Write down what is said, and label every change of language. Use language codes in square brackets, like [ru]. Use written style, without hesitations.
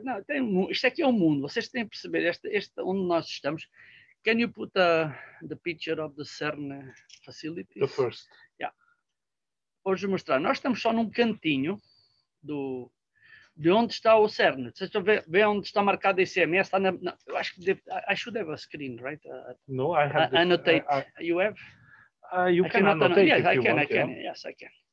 [pt] Não, isto aqui é o mundo. Vocês têm que perceber este onde nós estamos. [en] Can you put the picture of the CERN facilities? The first. [pt] Yeah. Vou-vos mostrar. Nós estamos só num cantinho de onde está o CERN. Vocês estão vendo onde está marcado esse CMS? Está na, eu acho que deve, [en] I should have a screen, right? No, I have the... Annotate. You have? You can annotate if you want. Yes, I can. Yes, I can.